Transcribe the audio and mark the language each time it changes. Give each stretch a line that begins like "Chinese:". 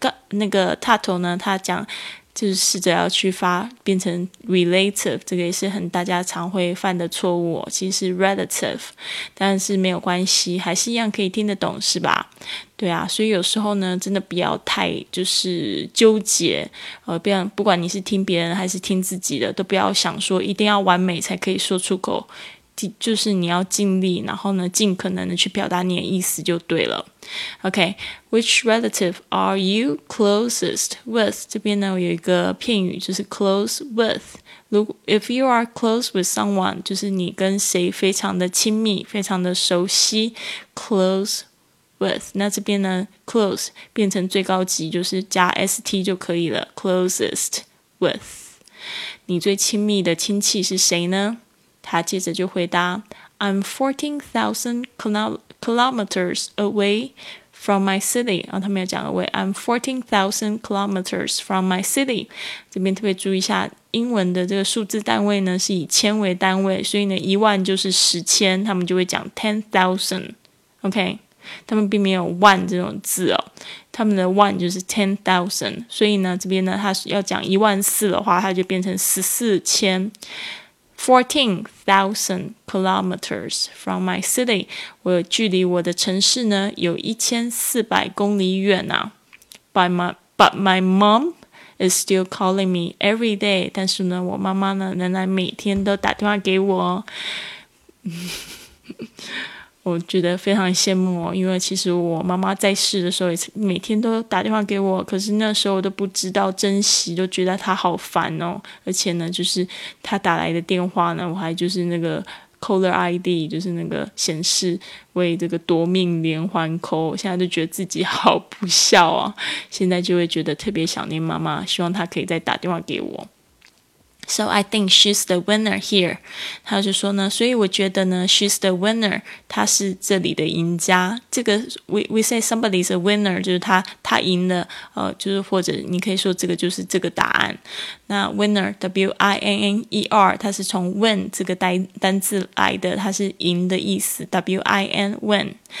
Chinese: 那个 Tato 呢，他讲就是试着要去发变成 relative， 这个也是很大家常会犯的错误、哦、其实是 relative， 但是没有关系，还是一样可以听得懂是吧？对啊，所以有时候呢真的不要太就是纠结不管你是听别人还是听自己的，都不要想说一定要完美才可以说出口，就是你要尽力，然后呢尽可能的去表达你的意思就对了。
English: OK， Which relative are you closest with？
Chinese: 这边呢有一个片语就是 close with，
English: If you are close with someone，
Chinese: 就是你跟谁非常的亲密，非常的熟悉， close with， 那这边呢 close 变成最高级就是加 st 就可以了， closest with， 你最亲密的亲戚是谁呢？他接着就回答
English: I'm 14,000 kilometers away from my city、
Chinese: 哦、他没有讲
English: away， I'm 14,000 kilometers from my city。
Chinese: 这边特别注意一下，英文的这个数字单位呢是以千为单位，所以呢一万就是十千，他们就会讲 10,000。 OK， 他们并没有万这种字哦，他们的万就是 10,000， 所以呢这边呢他要讲一万四的话，他就变成14,000。
English: 14,000 kilometers from my city，
Chinese: 我距离我的城市呢有1400公里远啊。
English: But my mom is still calling me every day，
Chinese: 但是呢我妈妈呢仍然每天都打电话给我。我觉得非常羡慕哦，因为其实我妈妈在世的时候也每天都打电话给我，可是那时候我都不知道珍惜，都觉得她好烦哦。而且呢就是她打来的电话呢，我还就是那个 caller ID， 就是那个显示为这个夺命连环 call， 现在就觉得自己好不孝啊、哦、现在就会觉得特别想念妈妈，希望她可以再打电话给我。
English: So I think she's the winner here.
Chinese: 他就说呢，所以我觉得呢
English: she's the winner,
Chinese: 她是这里的赢家。这个
English: we say somebody's a winner,
Chinese: 就是他赢了，就是或者你可以说这个就是这个答案。那 winner, W-I-N-N-E-R, 它是从 win 这个单字来的，它是赢的意思， W-I-N, win。